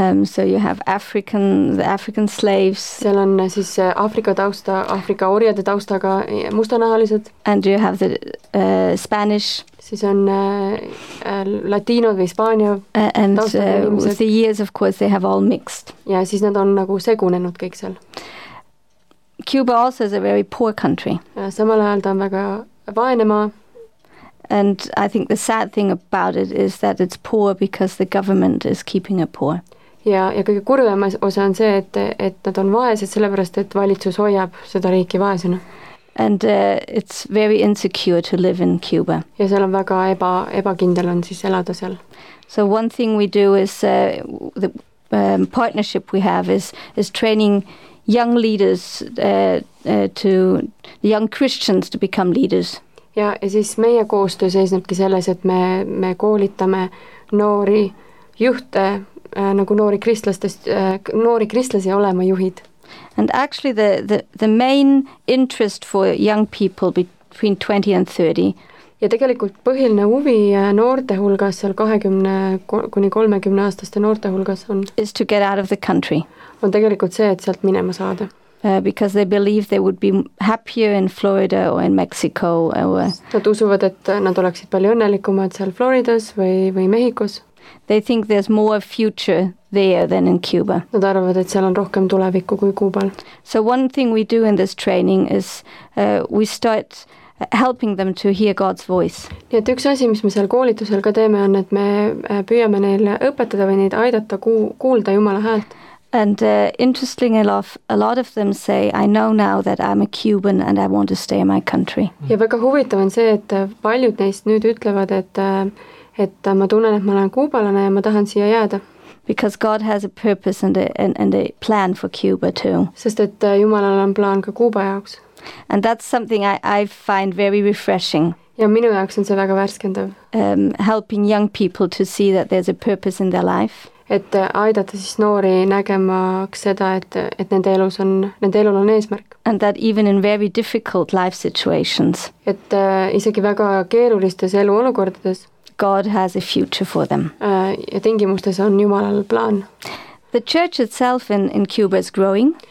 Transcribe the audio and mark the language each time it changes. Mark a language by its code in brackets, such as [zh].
[en] So you have African slaves. [et] Seal on siis Afrika tausta, Afrika orjade taustaga mustanahalised. [en] And you have the Spanish. [et] Siis on latino või Hispaania taustaga inimesed. [en] And the years, of course, they have all mixed. [et] Ja siis nad on nagu segunenud kõik seal. [en] Cuba also is a very poor country. [et] Samal ajal ta on väga vaene maa. [en] And I think the sad thing about it is that it's poor because the government is keeping it poor. [et] Ja kõige kurvem osa on see, et nad on vaesed sellepärast, et valitsus hoiab seda riiki vaesena. [en] And it's very insecure to live in Cuba. [et] Ja seal on väga ebakindel on siis elada seal. [en] So one thing we do is the partnership we have is training young leaders to young Christians to become leaders. [et] Ja siis meie koostöö seisnebki selles, et me koolitame noori juhte nagu noori kristlasi olema juhid. [en] And actually the main interest for young people between 20 and 30. [et] Ja tegelikult põhiline huvi noorte hulgas seal 20 kuni 30 aastaste noorte hulgas on [en] is to get out of the country. [et] On tegelikult see, et sealt minema saada. [en] Because they believe they would be happier in Florida or in Mexico. [et] Nad usuvad, et nad oleksid palju õnnelikumad seal Floridas või Mehikus. [en] They think there's more future there than in Cuba. [et] Nad arvavad, et seal on rohkem tulevikku kui Kuubal. [en] So one thing we do in this training is we start helping them to hear God's voice. [et] Nii et üks asi, mis me seal koolitusel ka teeme, on, et me püüame neil õpetada või neid aidata kuulda Jumala häält. [en] And interestingly enough, a lot of them say, I know now that I'm a Cuban and I want to stay in my country. [et] Ja väga huvitav on see, et paljud neist nüüd ütlevad, et ma tunnen, et ma olen kuubalane ja ma tahan siia jääda. [en] Because God has a purpose and a plan for Cuba too. [et] Sest et Jumalal on plaan ka Kuuba jaoks. [en] And that's something I find very refreshing. [et] Ja minu jaoks on see väga värskendav. [en] Helping young people to see that there's a purpose in their life. [et] Et aidata siis noori nägemaks seda, et nende elul on eesmärk. [en] And that even in very difficult life situations. [et] Et isegi väga keerulistes eluolukordades. [en] God has a future for them. [et] Ja tingimustes on Jumalal plaan. [en] The church itself in Cuba is growing.